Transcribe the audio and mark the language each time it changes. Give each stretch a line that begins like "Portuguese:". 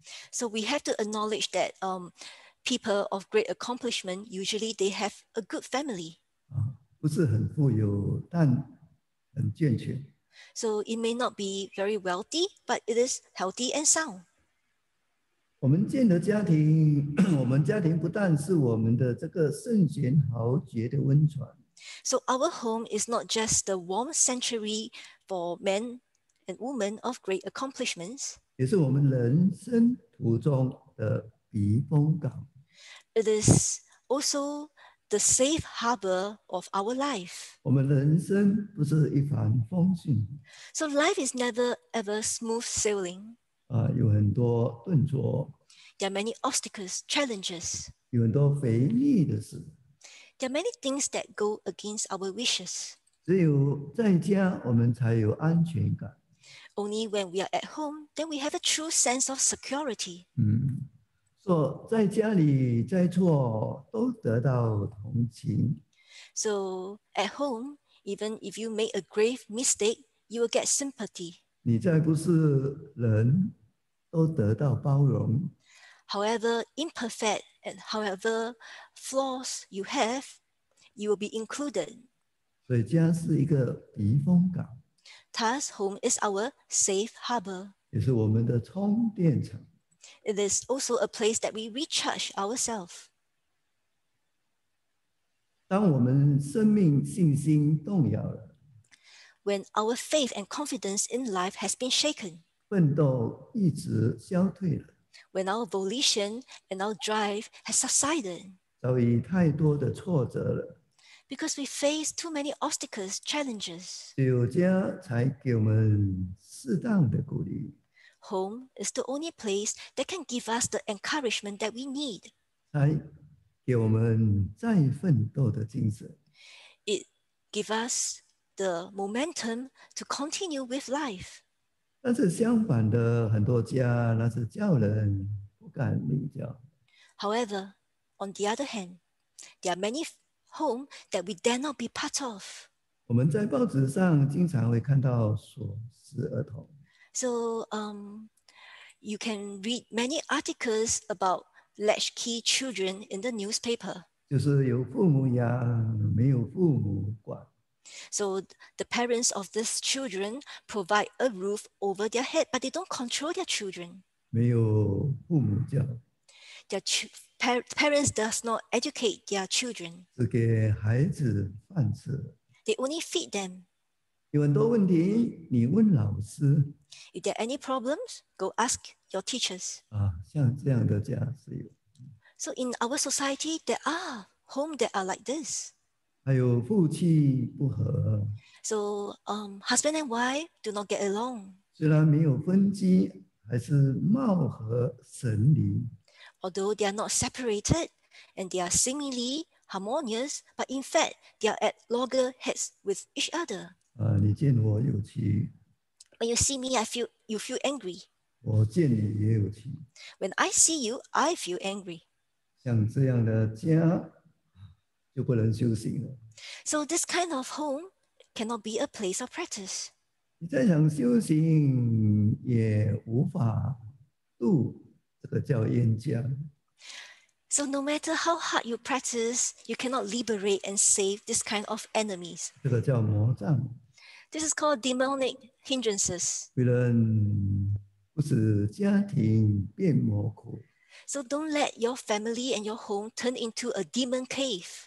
English: So we have to acknowledge that people of great accomplishment, usually they have a good family.
Chinese: 不是很富有，但很健全。
English: So it may not be very wealthy, but it is healthy and sound.
Chinese: 我们建的家庭，我们家庭不但是我们的这个圣贤豪杰的温泉。
English: So our home is not just the warm sanctuary for men and women of great accomplishments.
Chinese: 也是我们人生途中的避风港。
English: It is also the safe harbor of our life.
Chinese: 我们人生不是一帆风顺。
English: So life is never ever smooth sailing.
Chinese: 有很多顿挫。
English: There are many obstacles, challenges.
Chinese: 有很多非力的事。
English: There are many things that go against our wishes.
Chinese: 只有在家，我们才有安全感。
English: Only when we are at home, then we have a true sense of security.
Chinese: 说在家里再错都得到同情。
English: So at home, even if you make a grave mistake, you will get sympathy.
Chinese: 你再不是人都得到包容。
English: However imperfect and however flaws you have, you will be included.
Chinese: 所以家是一个避风港。
English: Thus, home is our safe harbor.
Chinese: 也是我们的充电场。
English: It is also a place that we recharge ourselves.
Chinese: 当我们生命信心动摇了，
English: when our faith and confidence in life has been shaken,
Chinese: 奋斗一直消退了，
English: when our volition and our drive has subsided,
Chinese: 遭遇太多的挫折了，
English: because we face too many obstacles, challenges,
Chinese: 只有家才给我们适当的鼓励。
English: Home is the only place that can give us the encouragement that we need,
Chinese: 才给我们再奋斗的精神。
English: It gives usthe momentum to continue with life.
Chinese: 但是相反的，很多家那是叫人不敢离家。
English: However, on the other hand, there are many homes that we dare not be part of.
Chinese: 我们在报纸上经常会看到所失儿童。
English: So, you can read many articles about latchkey children in the newspaper.
Chinese: 就是有父母养，没有父母管。
English: So the parents of these children provide a roof over their head, but they don't control their children.
Chinese: 没有父母教。
English: Their parents does not educate their children.
Chinese: 只给孩子饭吃。
English: They only feed them.
Chinese: 有很多问题，你问老师。
English: If there are any problems, go ask your teachers.
Chinese: 啊，像这样的家是有。
English: So in our society, there are homes that are like this.
Chinese: 还有夫妻不和。
English: So, husband and wife do not get along.
Chinese: 虽然没有分居，还是貌合神离。
English: Although they are not separated, and they are seemingly harmonious, but in fact, they are at loggerheads with each other.
Chinese: 你见我有气。
English: When you see me, you feel angry.
Chinese: 我见你也有气。
English: When I see you, I feel angry.
Chinese: 像这样的家就不能修行了。
English: So this kind of home cannot be a place of practice.
Chinese: 你再想修行也无法度这个叫冤家。
English: So no matter how hard you practice, you cannot liberate and save this kind of enemies.
Chinese: 这个叫魔障。
English: This is called demonic hindrances.
Chinese: 为人不使家庭变魔窟。
English: So don't let your family and your home turn into a demon cave.